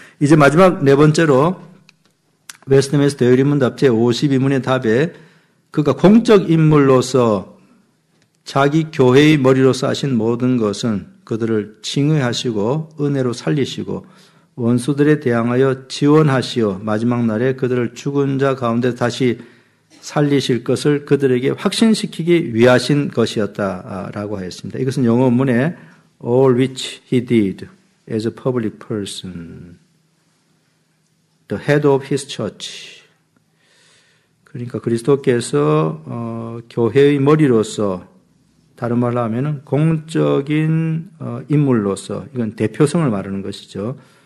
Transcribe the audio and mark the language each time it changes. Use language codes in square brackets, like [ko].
[ko] 이제 마지막 네 번째로 웨스트민스터 대열리문답제 52문의 답에 그가 공적 인물로서 자기 교회의 머리로서 하신 모든 것은 그들을 칭의하시고 은혜로 살리시고 원수들에 대항하여 지원하시어 마지막 날에 그들을 죽은 자 가운데 다시 살리실 것을 그들에게 확신시키기 위하신 것이었다라고 하였습니다. 이것은 영어 문에 [en] All which he did as a public person, the head of his church. [ko] 그러니까 그리스도께서 교회의 머리로서 다른 말로 하면은 공적인 인물로서 이건 대표성을 말하는 것이죠.